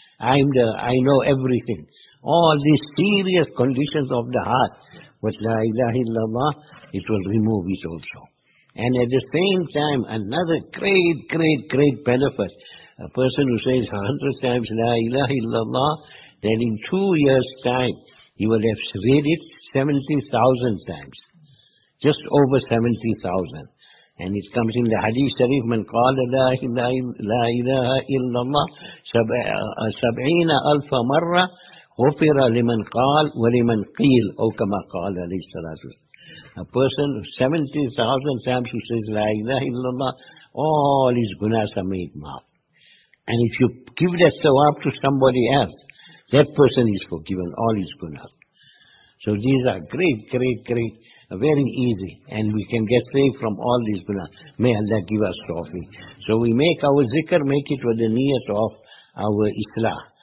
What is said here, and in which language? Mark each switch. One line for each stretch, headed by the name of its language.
English: I know everything. All these serious conditions of the heart, with La ilaha illallah, it will remove it also. And at the same time, another great, great, great benefit, a person who says 100 times La ilaha illallah, then in 2 years' time, he will have read it 70,000 times. Just over 70,000. And it comes in the Hadith Sharif,
Arabic: من قال لا إله إلا الله سبعين ألف مرة غفر لمن قال ولمن قيل أو كما قال عليه الصلاة والسلام.
English: A person 70,000 times who says
Arabic: لا إله إلا الله,
English: all his gunas are made maaf. And if you give that sawab to somebody else, that person is forgiven all his gunas. So these are great, great, great, very easy, and we can get saved from all these gunas. May Allah give us tawfiq. So we make our zikr, make it with the niyat of our islah.